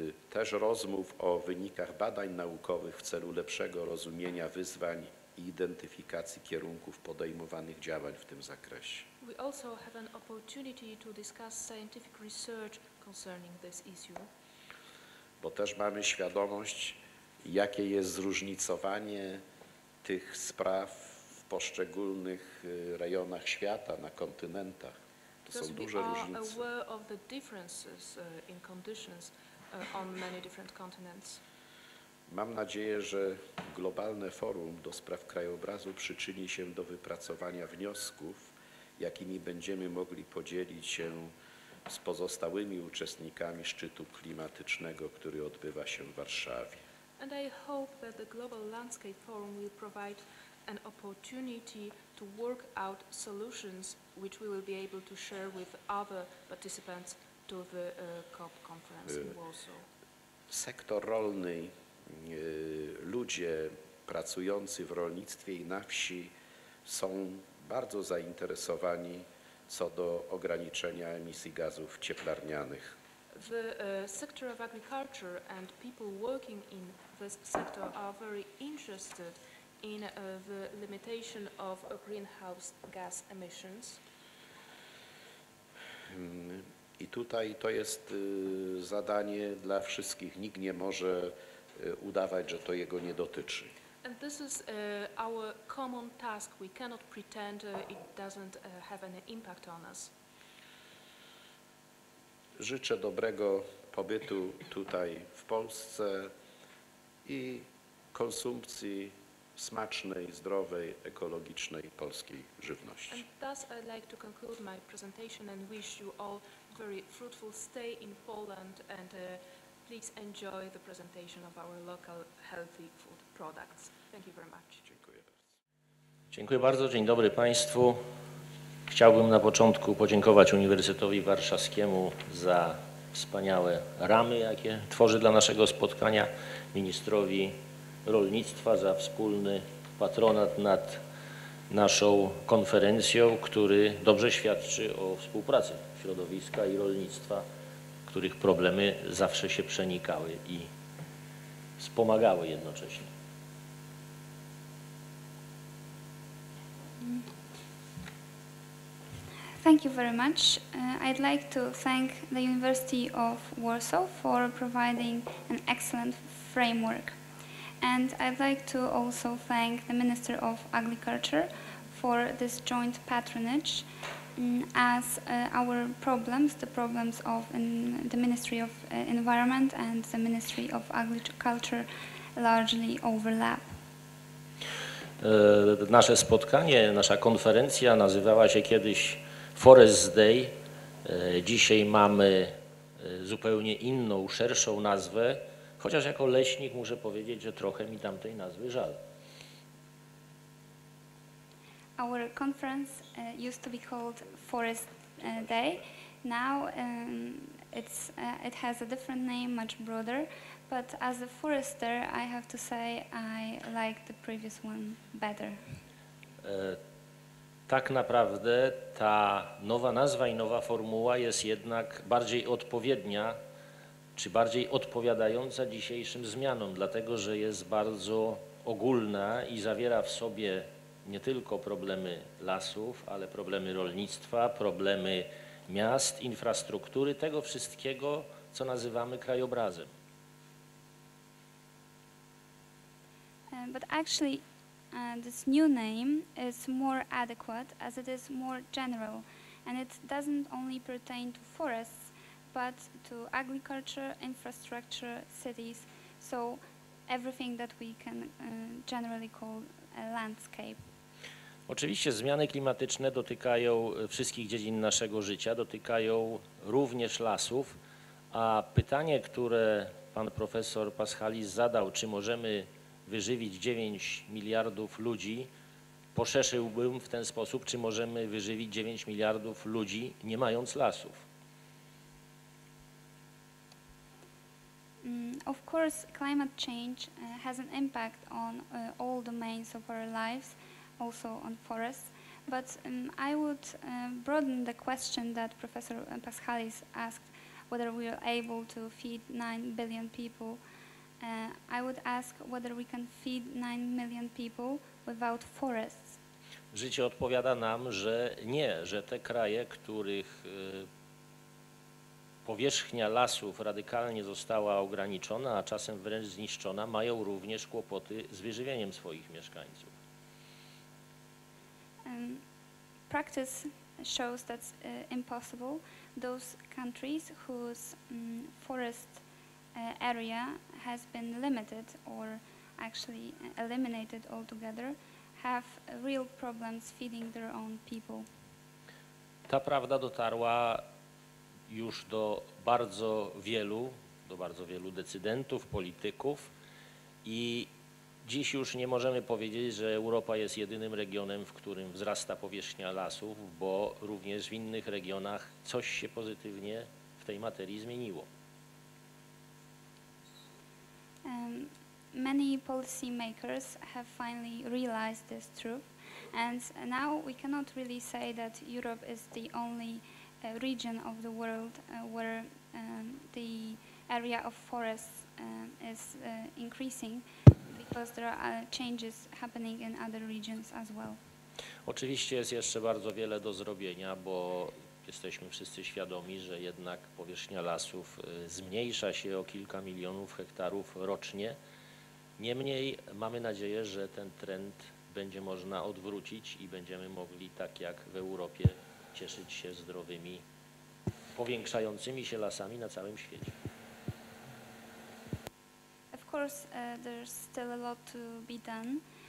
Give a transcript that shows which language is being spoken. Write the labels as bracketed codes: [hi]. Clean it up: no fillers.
[pl] Też rozmów o wynikach badań naukowych w celu lepszego rozumienia wyzwań i identyfikacji kierunków podejmowanych działań w tym zakresie. [en] We also have an opportunity to discuss scientific research concerning this issue. [pl] Bo też mamy świadomość, jakie jest zróżnicowanie tych spraw w poszczególnych rejonach świata, na kontynentach. To [en] because [pl] są duże różnice. [en] We are aware of the differences in conditions on many different continents. [pl] Mam nadzieję, że globalne forum do spraw krajobrazu przyczyni się do wypracowania wniosków, jakimi będziemy mogli podzielić się z pozostałymi uczestnikami szczytu klimatycznego, który odbywa się w Warszawie. [en] And I hope that the Global Landscape Forum will provide an opportunity to work out solutions which we will be able to share with other participants to the COP conference in Warsaw. [pl] Sektor rolny, ludzie pracujący w rolnictwie i na wsi są bardzo zainteresowani co do ograniczenia emisji gazów cieplarnianych. [en] The sector of agriculture and people working in this sector are very interested in the limitation of greenhouse gas emissions. [pl] I tutaj to jest zadanie dla wszystkich. Nikt nie może udawać, że to jego nie dotyczy. [en] And this is our common task. We cannot pretend it doesn't have any impact on us. [pl] Życzę dobrego pobytu tutaj w Polsce i konsumpcji smacznej, zdrowej, ekologicznej polskiej żywności. [en] And thus I'd like to conclude my presentation and wish you all very fruitful stay in Poland and please enjoy the presentation of our local healthy food products. Thank you very much. [pl] Dziękuję bardzo. Dziękuję bardzo. Dzień dobry Państwu. Chciałbym na początku podziękować Uniwersytetowi Warszawskiemu za wspaniałe ramy, jakie tworzy dla naszego spotkania, ministrowi rolnictwa za wspólny patronat nad naszą konferencją, który dobrze świadczy o współpracy środowiska i rolnictwa, których problemy zawsze się przenikały i wspomagały jednocześnie. [en] Thank you very much. I'd like to thank the University of Warsaw for providing an excellent framework. And I'd like to also thank the Minister of Agriculture for this joint patronage, as our problems, the problems of the Ministry of Environment and the Ministry of Agriculture largely overlap. [pl] Nasze spotkanie, nasza konferencja nazywała się kiedyś Forest Day. Dzisiaj mamy zupełnie inną, szerszą nazwę, chociaż jako leśnik muszę powiedzieć, że trochę mi tamtej nazwy żal. [en] Our conference used to be called Forest Day. Now it has a different name, much broader, but as a forester I have to say I like the previous one better. [pl] Tak naprawdę ta nowa nazwa i nowa formuła jest jednak bardziej odpowiednia, czy bardziej odpowiadająca dzisiejszym zmianom, dlatego że jest bardzo ogólna i zawiera w sobie nie tylko problemy lasów, ale problemy rolnictwa, problemy miast, infrastruktury, tego wszystkiego, co nazywamy krajobrazem. [en] But actually this new name is more adequate as it is more general and it doesn't only pertain to forests but to agriculture, infrastructure, cities, so everything that we can generally call a landscape. [pl] Oczywiście zmiany klimatyczne dotykają wszystkich dziedzin naszego życia, dotykają również lasów, a pytanie, które pan profesor Paschalis zadał, czy możemy wyżywić 9 miliardów ludzi, poszerzyłbym w ten sposób, czy możemy wyżywić 9 miliardów ludzi nie mając lasów. [en] Of course, climate change has an impact on all domains of our lives, also on forests, but I would broaden the question that Professor Paschalis asked, whether we are able to feed 9 billion people. I would ask whether we can feed 9 million people without forests. [pl] Życie odpowiada nam, że nie, że te kraje, których powierzchnia lasów radykalnie została ograniczona, a czasem wręcz zniszczona, mają również kłopoty z wyżywieniem swoich mieszkańców. [en] Practice shows that's impossible. Those countries whose forest area has been limited or actually eliminated altogether have real problems feeding their own people. [pl] Ta prawda dotarła już do bardzo wielu, decydentów, polityków i dziś już nie możemy powiedzieć, że Europa jest jedynym regionem, w którym wzrasta powierzchnia lasów, bo również w innych regionach coś się pozytywnie w tej materii zmieniło. [en] Many policy makers have finally realized this truth And now we cannot really say that Europe is the only region of the world where the area of forests is increasing, because there are changes happening in other regions as well. [pl] Oczywiście jest jeszcze bardzo wiele do zrobienia, bo jesteśmy wszyscy świadomi, że jednak powierzchnia lasów zmniejsza się o kilka milionów hektarów rocznie. Niemniej mamy nadzieję, że ten trend będzie można odwrócić i będziemy mogli, tak jak w Europie, cieszyć się zdrowymi, powiększającymi się lasami na całym świecie. [en] Of course, there's still a lot to be done.